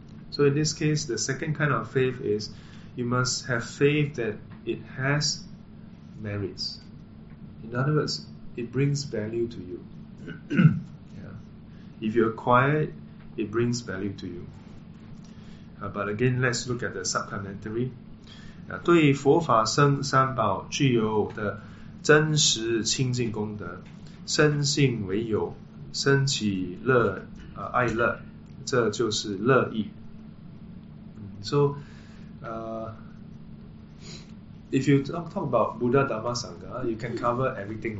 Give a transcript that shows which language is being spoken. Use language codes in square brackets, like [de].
[en] So in this case, the second kind of faith is you must have faith that it has merits. In other words, it brings value to you. Yeah. If you acquire it, it brings value to you. But again, let's look at the supplementary. [zh] 对佛法僧三宝具有的真实清净功德，深信为有，生起乐爱乐，这就是乐意。 [en] So, if you talk about Buddha, Dhamma, Sangha, you can cover everything.